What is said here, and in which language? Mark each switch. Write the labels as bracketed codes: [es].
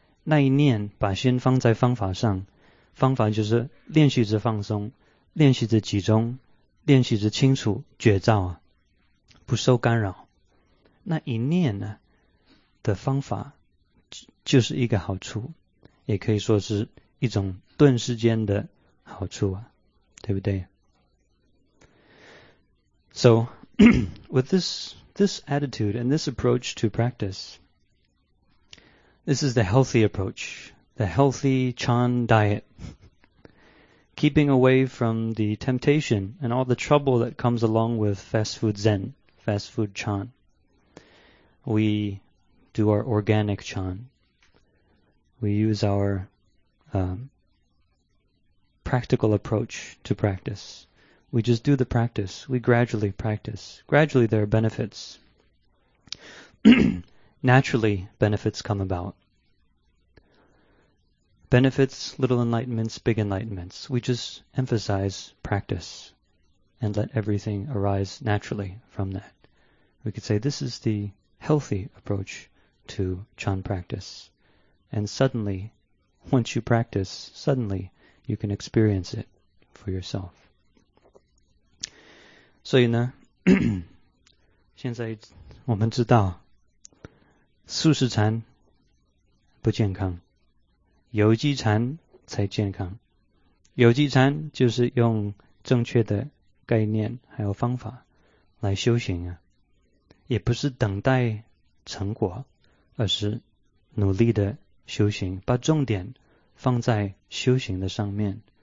[zh] 那一念把心放在方法上，方法就是练习着放松，练习着集中，练习着清楚觉照啊，不受干扰。那一念呢的方法就是一个好处，也可以说是一种顿时间的好处啊，对不对？ [en] So with this attitude and this approach to practice, this is the healthy approach, the healthy Chan diet. Keeping away from the temptation and all the trouble that comes along with fast food Zen, fast food Chan, we do our organic Chan. We use our practical approach to practice. We just do the practice. We gradually practice. Gradually there are benefits. Naturally, benefits come about. Benefits, little enlightenments, big enlightenments. We just emphasize practice and let everything arise naturally from that. We could say this is the healthy approach to Chan practice. And suddenly, once you practice, suddenly you can experience it for yourself. [zh] 所以呢，现在我们知道素食禅不健康，有机禅才健康。有机禅就是用正确的概念还有方法来修行啊，也不是等待成果，而是努力的修行，把重点放在修行的上面。